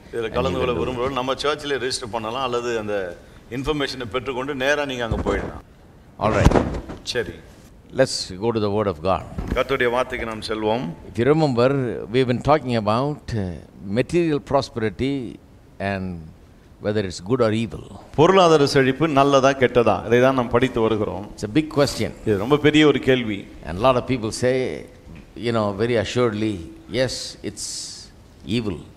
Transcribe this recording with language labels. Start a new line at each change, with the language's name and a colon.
Tamil: இதல கலந்துகொள்ள விரும்புறவங்க நம்ம சர்ச்சில் ரெஜிஸ்டர் பண்ணலாம், அல்லது அந்த இன்ஃபர்மேஷனை பெற்றுக்கொண்டு நேரா நீங்க அங்க போயிடலாம்.
English: All right.
Tamil: சரி.
English: Let's go to the word of God.
Tamil: கர்த்தருடைய வார்த்தைக்கு நாம் செல்வோம்.
English: If you remember, we've been talking about material prosperity and whether it's good or evil.
Tamil: பொருளாதார செழிப்பு நல்லதா கெட்டதா, இதை தான் நாம் படித்து வருகிறோம்.
English: It's a big question.
Tamil: இது ரொம்ப பெரிய ஒரு கேள்வி.
English: And a lot of people say you know, very assuredly, yes, it's evil,